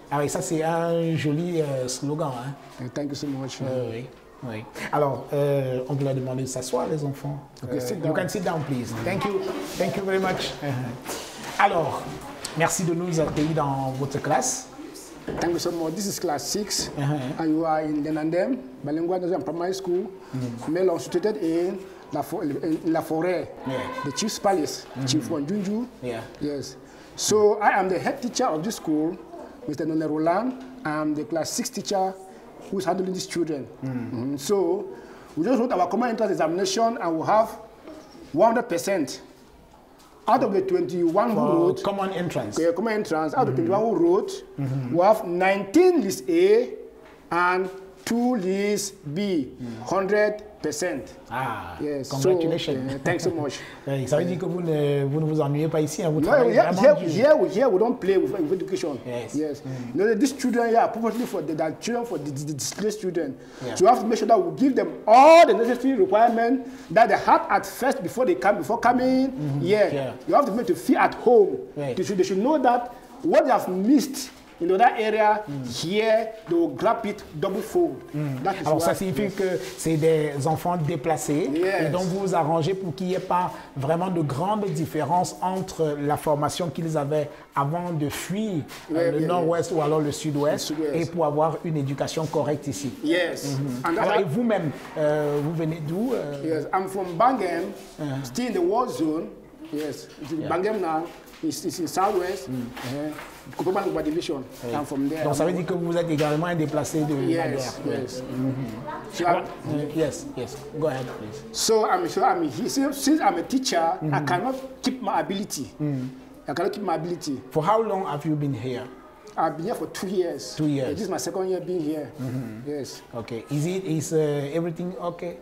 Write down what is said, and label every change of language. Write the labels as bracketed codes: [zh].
[fr] Ah oui, ça c'est un joli slogan. Hein. [en] Thank you so much. [fr] Oui. Alors, on vous a demandé de s'asseoir les enfants. [en] Okay, sit down. You can sit down please. Mm-hmm. Thank you very much. Mm-hmm. [fr] Alors, merci de nous accueillir dans votre classe. [en] Thank you so much. This is class 6. Uh-huh. And you are in Denandem, Balengua Nazian Primary School. Mm-hmm. Melon situated in La Forêt. Yeah. The Chief's Palace. Mm-hmm. Chief Wanjunju. Yeah. Yes. So I am the head teacher of this school, Mr. Nonne Roland. I am the class 6 teacher who is handling these children. Mm-hmm. Mm-hmm. So we just wrote our common entrance examination and we have 100%. Out of the 21 who wrote common entrance, okay, common entrance. Out of 21 who wrote, we have 19 list A and 2 list B, 100%. Ah, yes. Congratulations! So, thanks so much. [fr] Ça veut dire que vous ne vous ennuyez pas ici, hein? Vous travaillez vraiment [en] here we don't play with education. Yes. Yes. Mm-hmm. You know, these children here, purposely for the children, for the displaced children. Yeah. So we have to make sure that we give them all the necessary requirements that they have at first before they come, before coming. Mm-hmm. Yeah. Yeah. You have to make them feel at home. Right. They should know that what they have missed In that area, here, they will grab it double fold. [fr] Alors, ça signifie que c'est des enfants déplacés. [en] Yes. [fr] Et donc, vous vous arrangez pour qu'il n'y ait pas vraiment de grande différence entre la formation qu'ils avaient avant de fuir le nord-ouest ou alors le sud-ouest, et pour avoir une éducation correcte ici. [en] Yes. [fr] Alors, et vous-même, vous venez d'où? [en] Yes, I'm from Bangem, still in the war zone. Yes, Bangem now. It's in southwest. Kupamalukwa division. Hey. I'm from there. [fr] Donc ça veut dire que vous êtes également déplacé de la guerre. [en] Yes. Yes. Yes. Go ahead, please. Since I'm a teacher, I cannot keep my ability. I cannot keep my ability. For how long have you been here? I've been here for 2 years. 2 years. This is my second year being here. Yes. Okay. Is everything okay?